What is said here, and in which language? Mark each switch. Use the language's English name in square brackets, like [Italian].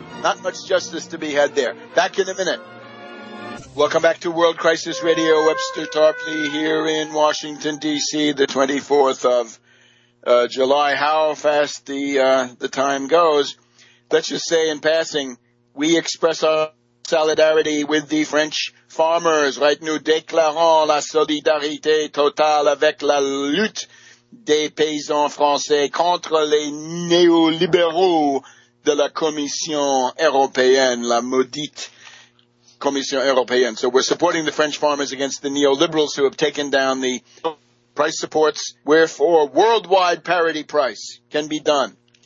[English] Not much justice to be had there. Back in a minute. Welcome back to World Crisis Radio. Webster Tarpley here in Washington, D.C., the 24th of July. How fast the time goes. Let's just say in passing, we express our solidarity with the French farmers, right? [French] Nous déclarons la solidarité totale avec la lutte des paysans français contre les néolibéraux de la Commission européenne, la maudite Commission européenne. [English] So we're supporting the French farmers against the neoliberals who have taken down the price supports, wherefore worldwide parity price can be done.